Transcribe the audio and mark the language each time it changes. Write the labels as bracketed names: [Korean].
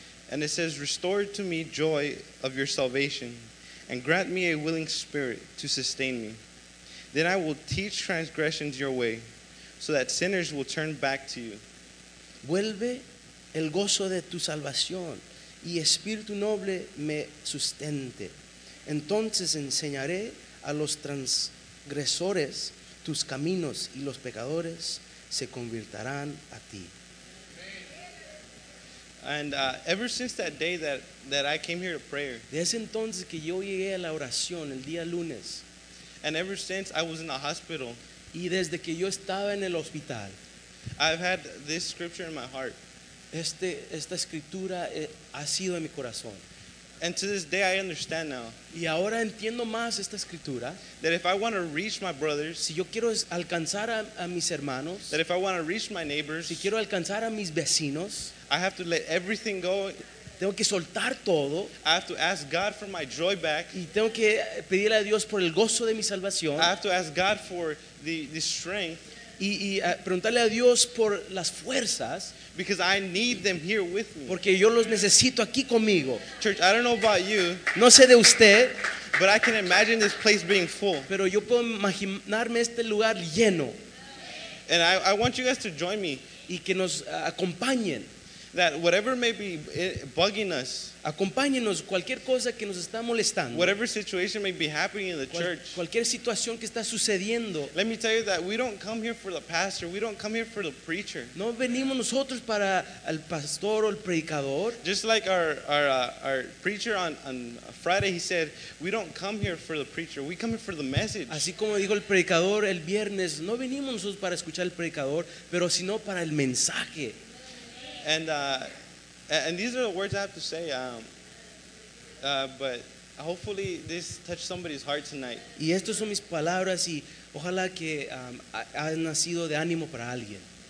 [English] And it says, restore to me joy of your salvation. And grant me a willing spirit to sustain me. Then I will teach transgressions your way, so that sinners will turn back to you. [Spanish] Vuelve el gozo de tu salvación, y espíritu noble me sustente. Entonces enseñaré a los transgresores tus caminos, y los pecadores se convertirán a ti. [English] And ever since that day that I came here to prayer. [Spanish] Desde entonces que yo llegué a la oración el día lunes. [English] And ever since I was in the hospital. [Spanish] Y desde que yo estaba en el hospital. [English] I've had this scripture in my heart. [Spanish] Esta escritura ha sido en mi corazón. [English] And to this day I understand now. [Spanish] Y ahora entiendo más esta escritura. [English] That if I want to reach my brothers. [Spanish] Si yo quiero alcanzar a mis hermanos. [English] That if I want to reach my neighbors. [Spanish] Si quiero alcanzar a mis vecinos. [English] I have to let everything go. [Spanish] Tengo que soltar todo. [English] I have to ask God for my joy back. [Spanish] Y tengo que pedirle a Dios por el gozo de mi salvación. [English] I have to ask God for the strength. [Spanish] Y preguntarle a Dios por las fuerzas. [English] Because I need them here with me. [Spanish] Porque yo los necesito aquí conmigo. [English] Church, I don't know about you. [Spanish] No sé de usted. [English] But I can imagine this place being full. [Spanish] Pero yo puedo imaginarme este lugar lleno. [English] And I want you guys to join me. [Spanish] Y que nos acompañen. [English] That whatever may be bugging us, [Spanish] acompáñenos cualquier cosa que nos está molestando. [English] Whatever situation may be happening in the church, [Spanish] cualquier situación que está sucediendo. [English] Let me tell you that we don't come here for the pastor, we don't come here for the preacher. [Spanish] No venimos nosotros para el pastor o el predicador. [English] Just like our preacher on Friday, he said, we don't come here for the preacher, we come here for the message. [Spanish] Así como dijo el predicador el viernes, no venimos nosotros para escuchar el predicador, pero sino para el mensaje. [English] And these are the words I have to say. But hopefully this touched somebody's heart tonight. [Spanish] Y estos son mis palabras y ojalá que han nacido de ánimo para alguien.